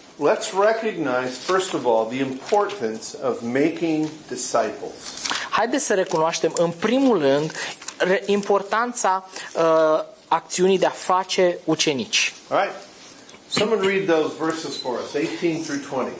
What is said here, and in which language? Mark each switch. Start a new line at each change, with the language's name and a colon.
English: Let's recognize first of all the importance of making disciples.
Romanian: Haideți să recunoaștem în primul rând importanța acțiunii de a face ucenici.
English: All right. Someone read those verses for us, 18 through 20.